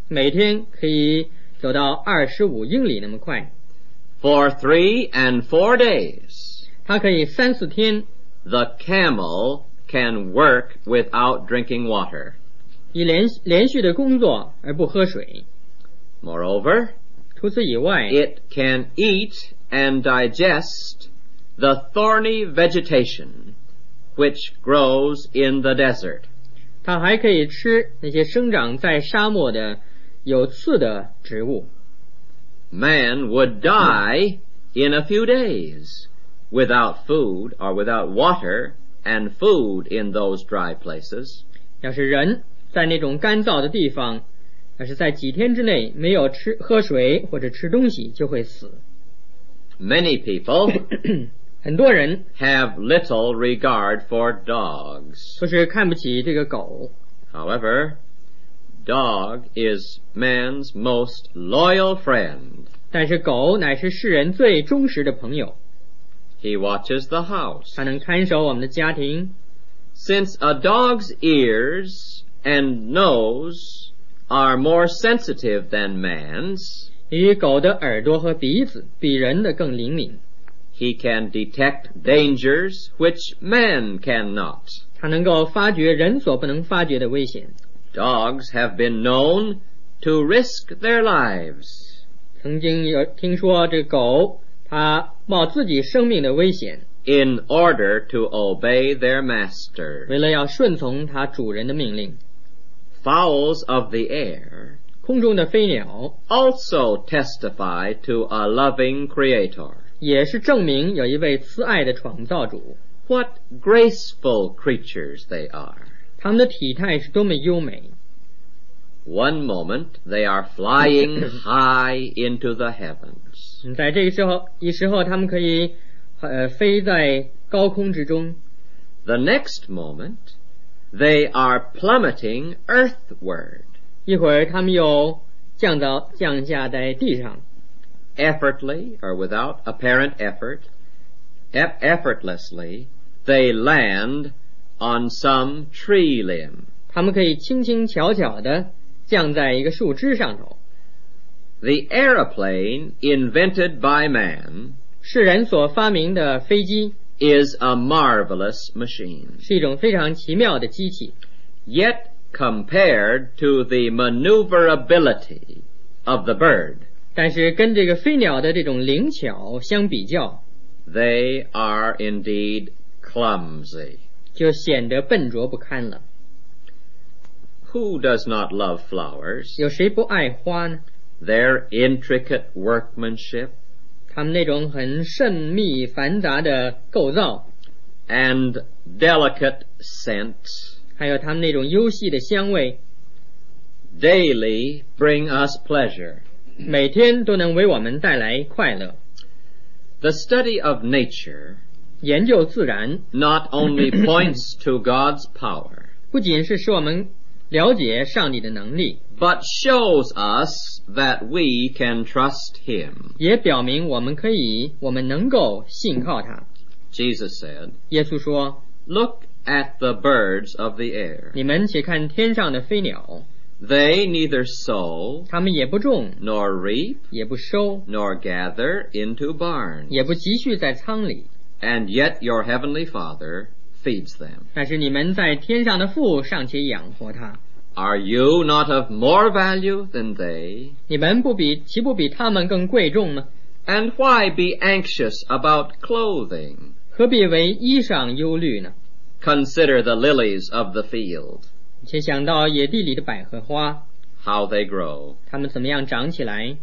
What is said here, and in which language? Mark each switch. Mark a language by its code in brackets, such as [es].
[zh] 每天可以走到25英里那么快。 [en] For 3 and 4 days, [zh] 它可以三四天， [en] the camel can work without drinking water, [zh] 以 连续的工作而不喝水。 [en] Moreover, [zh] 除此以外， [en] it can eat and digest the thorny vegetation which grows in the desert. [zh] 它还可以吃那些生长在沙漠的有刺的植物。 [en] Man would die in a few days without food or without water and food in those dry places. [zh] 要是人在那种干燥的地方但是在几天之内没有吃喝水或者吃东西就会死。 [en] Many people [zh] 很多人 [en] have little regard for dogs, [zh] 就是看不起这个狗。 [en] However, dog is man's most loyal friend, [zh] 但是狗乃是世人最忠实的朋友。 [en] He watches the house, [zh] 他能看守我们的家庭。 [en] Since a dog's ears and noseare more sensitive than man's, [zh] 与狗的耳朵和鼻子比人的更灵敏。 [en] He can detect dangers which man cannot, [zh] 他能够发觉人所不能发觉的危险。 [en] Dogs have been known to risk their lives, [zh] 曾经有听说这狗它冒自己生命的危险， [en] in order to obey their master, [zh] 为了要顺从它主人的命令。 [en] Fowls of the air, [zh] 空中的飞鸟， [en] also testify to a loving creator, [zh] 也是证明有一位慈爱的创造主。 [en] What graceful creatures they are, [zh] 他们的体态是多么优美。 [en] One moment they are flying high into the heavens, [zh] 在这个时候，一时候他们可以飞在高空之中。 [en] The next momentThey are plummeting earthward, [zh] 一会儿他们又降下在地上。 [en] Effortly or without apparent effort, effortlessly they land on some tree limb, [zh] 他们可以轻轻巧巧地降在一个树枝上头。 [en] The aeroplane invented by man, [zh] 是人所发明的飞机， [en] is a marvelous machine, [zh] 是一种非常奇妙的机器。 [en] Yet compared to the maneuverability of the bird, [zh] 但是跟这个飞鸟的这种灵巧相比较， [en] they are indeed clumsy, [zh] 就显得笨拙不堪了。 [en] Who does not love flowers? [zh] 有谁不爱花呢？ [en] Their intricate workmanship, [zh] 他们那种很甚密繁杂的构造， [en] and delicate scents, [zh] 还有他们那种幽细的香味， [en] daily bring us pleasure, [zh] 每天都能为我们带来快乐。 [en] The study of nature, [zh] 研究自然， [en] not only points to God's power, [zh] 不仅是使我们了解上帝的能力， [en] but shows us that we can trust him, [zh] 也表明我们能够信靠他。 [en] Jesus said, [zh] 耶稣说， [en] look at the birds of the air, [zh] 你们且看天上的飞鸟， [en] They neither sow, [zh] 他们也不种, [en] nor reap, [zh] 也不收, [en] nor gather into barns, [zh] 也不积蓄在仓里, [en] and yet your heavenly Father feeds them. [zh] 但是你们在天上的父尚且养活他。 [en] Are you not of more value than they? [zh] 你们不比,岂不比他们更贵重吗? [en] And why be anxious about clothing? [zh] 何必为衣裳忧虑呢? [en] Consider the lilies of the field. [zh] 且想到野地里的百合花。 [en] How they grow. [zh] 他们怎么样长起来?